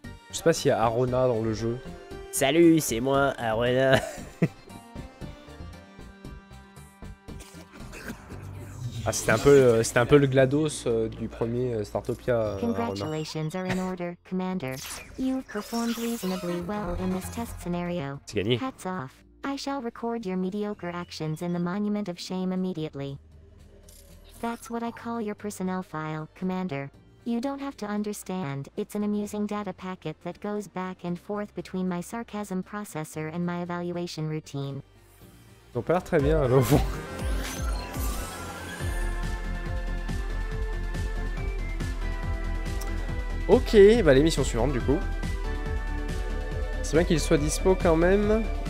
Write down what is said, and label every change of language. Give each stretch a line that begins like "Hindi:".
French: Je sais pas s'il y a Arona dans le jeu. Salut, c'est moi, Arona. Ah, c'était un peu le GLaDOS du premier Startopia.
English: Congratulations are in order, Commander. You've performed reasonably well in this test scenario.
French: C'est gagné.
English: Hats off. I shall record your mediocre actions in the monument of shame immediately. That's what I call your personnel file, Commander. You don't have to understand. It's an amusing data packet that goes back and forth between my sarcasm processor and my evaluation routine.
French: Ils ont pas l'air très bien là au fond. Ok, bah l'émission suivante du coup. C'est bien qu'il soit dispo quand même.